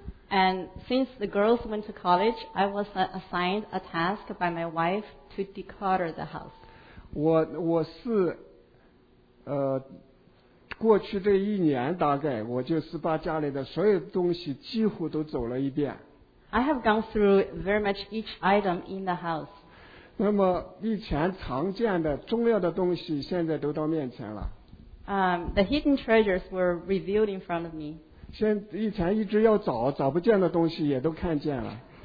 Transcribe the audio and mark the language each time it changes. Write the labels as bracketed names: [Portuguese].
[English] And since the girls went to college, I was assigned a task by my wife to declutter the house. [Chinese] 我是过去这一年大概我就是把家里的所有东西几乎都走了一遍。 [English] I have gone through very much each item in the house. [Chinese] 那么以前常见的重要的东西现在都到面前了。 [English] The hidden treasures were revealed in front of me. [Chinese] 现以前一直要找找不见的东西也都看见了。